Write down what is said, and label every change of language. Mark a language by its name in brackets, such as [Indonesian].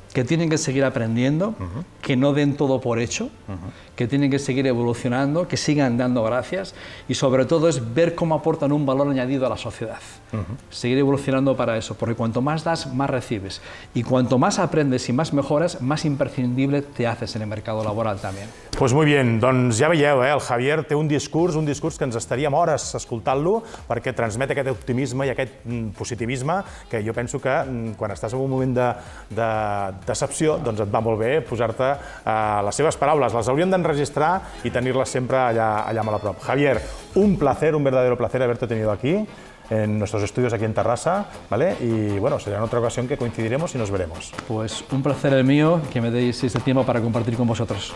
[Spanish] Que tienen que seguir aprendiendo, uh-huh, que no den todo por hecho, uh-huh, que tienen que seguir evolucionando, que sigan dando gracias y sobre todo es ver cómo aportan un valor añadido a la sociedad. Uh-huh. Seguir evolucionando para eso, porque cuanto más das, más recibes. Y cuanto más aprendes y más mejoras, más imprescindible te haces en el mercado laboral también. Pues muy bien, [Catalan] doncs ja veieu, el Javier té un discurs que ens estaríem hores escoltant-lo, perquè transmet aquest optimisme i aquest positivisme, que jo penso que quan estàs en un moment de decepció, doncs et va molt bé posar-te les seves paraules. Les hauríem d'enregistrar i tenir-les sempre allà molt a prop. [Spanish] Javier, un placer, un verdadero placer haver-te tenido aquí, en nuestros estudios aquí en Terrassa, ¿vale? Y bueno, será en otra ocasión que coincidiremos y nos veremos. Pues un placer el mío, que me deis este tiempo para compartir con vosotros.